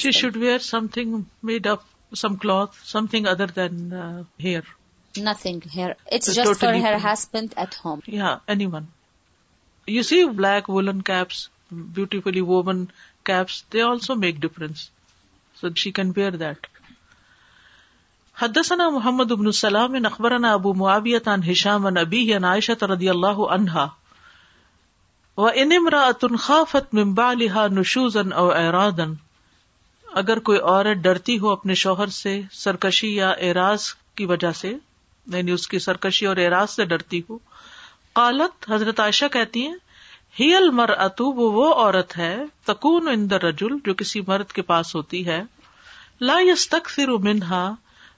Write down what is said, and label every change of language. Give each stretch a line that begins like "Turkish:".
English: She should wear something made of some cloth, something other than hair. Nothing hair. It's just totally for her husband at home. Yeah, anyone. You see black woolen caps, beautifully woven caps, they also make difference. So she can wear that.
Arabic: حدثنا محمد بن سلام اخبرنا ابو معاوية عن هشام عن ابيه عن عائشة رضي الله عنها وان امرأة خافت من بعلها نشوزا او اعراضا.
Urdu: اگر کوئی عورت ڈرتی ہو اپنے شوہر سے سرکشی یا اعراض کی وجہ سے, یعنی اس کی سرکشی اور اعراض سے ڈرتی ہو,
Arabic: قالت
Urdu: حضرت عائشہ کہتی ہیں,
Arabic: ہی المرأة,
Urdu: وہ عورت ہے,
Arabic: تکون عند الرجل,
Urdu: جو کسی مرد کے پاس ہوتی ہے,
Arabic: لا يستكثر منها,